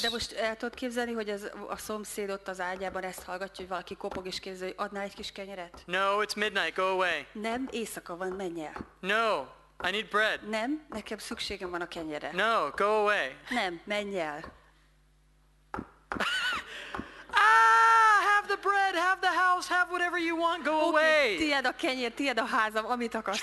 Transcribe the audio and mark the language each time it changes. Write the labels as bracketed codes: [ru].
[hu] De most el tudod képzelni, hogy a szomszéd ott az ágyában ezt hallgatja, hogy valaki kopog és kérdezi, hogy adná egy kis kenyeret? [en] No, it's midnight. Go away. [hu] Nem, éjszaka van, menj el. [en] No. I need bread. [hu] Nem, nekem szükségem van a kenyere. [en] No, go away. [hu] Nem, menj el. [en] Ah, have the bread, have the house, have whatever you want, go away. [hu] Tiéd a kenyér, tiéd a házam, amit akarsz.